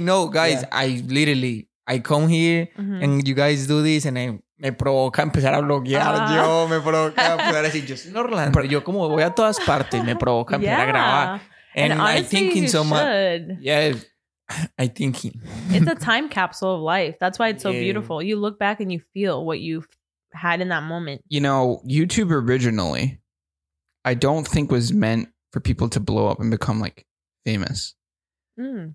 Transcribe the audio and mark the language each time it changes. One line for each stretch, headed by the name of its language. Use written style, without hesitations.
English: No, guys, I come here and you guys do this and I
Spanish: me provoca empezar a bloguear. Yo me provoca empezar a decir, yo soy Orlando. Pero yo como voy a todas partes, me provoca empezar a grabar.
English: And honestly, I'm thinking you so should. Much. Yeah, I'm thinking. It's a time capsule of life. That's why it's so beautiful. You look back and you feel what you had in that moment. You know, YouTube originally, I don't think was meant for people to blow up and become like famous. Mm.